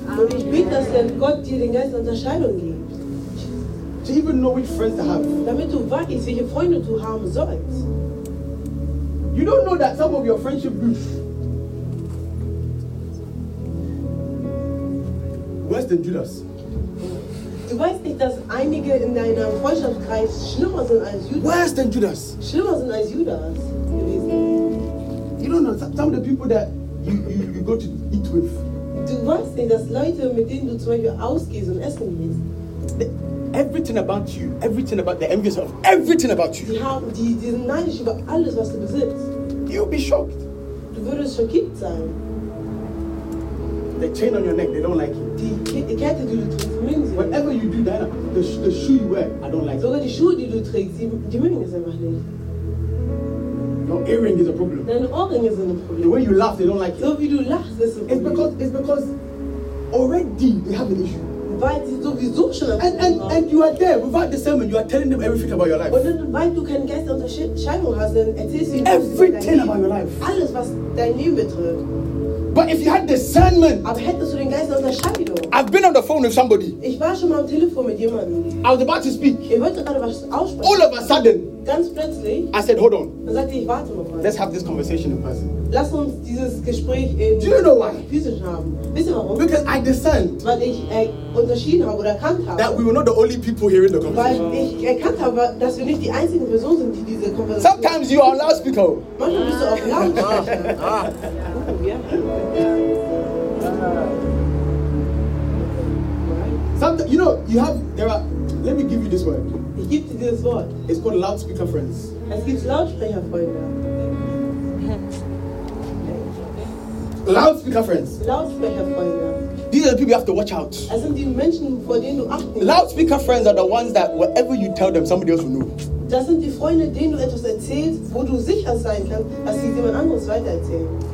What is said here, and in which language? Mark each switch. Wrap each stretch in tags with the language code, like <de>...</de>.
<de>Und ich bete, dass Gott dir den Geist der Unterscheidung gibt.</de> <en>To even know which friends to have.</en> <de>Damit du weißt, welche Freunde du haben sollst.</de> <en>You don't know that some of your friendship groups. Worse than Judas.</en> <de>Du weißt nicht, dass einige in deinem Freundschaftskreis schlimmer sind als Judas.</de> <en>Worse than Judas.</en> <de>Schlimmer sind als Judas.</de> <en>You don't know some of the people that you go to eat with.</en> <de>Du weißt nicht, dass Leute, mit denen du zum Beispiel ausgehst und essen gehst.</de> <en>Everything about you, everything about the envious of everything about you.</en> <de>Die neidisch über alles, was du besitzt.</de> <en>You'll be shocked.</en> <de>Du würdest schockiert sein.</de> <en>The chain on your neck, they don't like it.</en> <de>Die Kette, die du trägst,</de> <en>whatever you do, Diana, the shoe you wear, I don't like</en> <de>sogar</de> <en>it.</en> <de>Sogar die Schuhe, die du trägst, die mögen es einfach nicht.</de> <en>Your earring is a problem.</en> <de>Deine Ohrring ist ein Problem.</de> <en>The way you laugh, they don't like it.</en> <de>So wie du lachst, ist ein Problem.</de> <en>It's because already they have an issue.</en> <de>Weil sie sowieso schon ein Problem haben.</de> <en>And you are there without discernment. You are telling them everything about your life.</en> <de>Und dann, weil du kein Geist unter Scheidung hast, dann erzählst du ihnen</de> <en>everything about your life.</en> <de>Alles, was dein Leben betrifft.</de> <en>But if you had discernment,</en> <de>aber hättest du den Geist unter Scheidung?</de> <en>I've been on the phone with somebody.</en> <de>Ich war schon mal am Telefon mit jemandem.</de> <en>I was about to speak.</en> <de>Ich wollte gerade was aussprechen.</de> <en>All of a sudden.</en> <de>Ganz plötzlich,</de> <en>I said, hold on.</en> <de>Dann sagte ich, warte mal.</de> <en>Let's have this conversation in person.</en> <de>Lass uns dieses Gespräch in physisch haben. Wisst ihr warum?</de> <en>Because I discerned.</en> <de>Weil ich unterschieden habe oder erkannt habe.</de> <en>That we were not the only people hearing the conversation.</en> <de>Weil ich erkannt habe, dass wir nicht die einzigen Personen sind, die diese Konversation.</de> <en>Sometimes you are a loudspeaker.</en> <de>Manchmal bist du auch laut.</de> <en>Sometimes, you know, you have, there are, let me give you this word.</en> <de>Ich gebe dir dieses Wort.</de> <en>It's called loudspeaker friends.</en> <de>Es gibt Lautsprecherfreunde.</de> <en>Loudspeaker friends.</en> <de>Lautsprecherfreunde.</de> <en>These are the people you have to watch out.</en> <de>Es sind die Menschen, vor denen du achten.</de> <en>Loudspeaker friends are the ones that whatever you tell them, somebody else will know.</en> <de>Das sind die Freunde, denen du etwas erzählst, wo du sicher sein kannst, dass sie jemand anderes weitererzählen.</de>